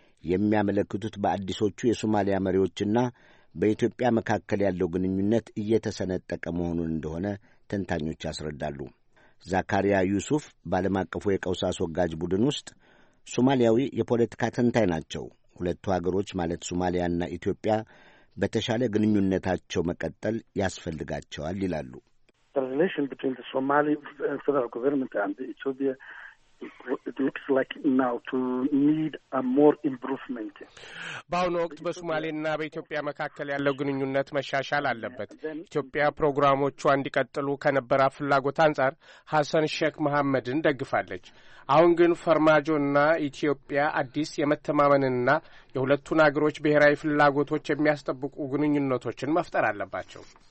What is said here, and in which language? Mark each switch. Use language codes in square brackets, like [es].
[am] የሚያመለክቱት በአዲሶቹ የሶማሊያ መሪዎችና በኢትዮጵያ መካከል ያለው ግንኙነት እየተሰነጠቀ መሆኑን እንደሆነ ተንታኞች ያስረዳሉ። ዛካሪያ ዩሱፍ በዓለም አቀፉ የቀውስ አስወጋጅ ቡድን ውስጥ ሶማሊያዊ የፖለቲካ ተንታኝ ናቸው። ሁለቱ አገሮች ማለት ሶማሊያና ኢትዮጵያ በተሻለ ግንኙነታቸው መቀጠል ያስፈልጋቸዋል ይላሉ። [en] The relation between the Somali federal government and Ethiopia it looks like now to need a more improvement. [am] በአሁኑ ወቅት በሶማሌና በኢትዮጵያ መካከለ ያለው ግንኙነት መሻሻል አለበት። ኢትዮጵያ ፕሮግራሞቹ እንዲቀጥሉ ከነበረ ፍላጎት አንጻር ሐሰን ሼክ መሐመድን ደግፋለች። አሁን ግን ፈርማጆና ኢትዮጵያ አዲስ የመተማመንና የሁለቱን አገሮች ብሔራዊ ፍላጎቶች የሚያስጠብቁ ግንኙነቶችን መፍጠር አለባቸው።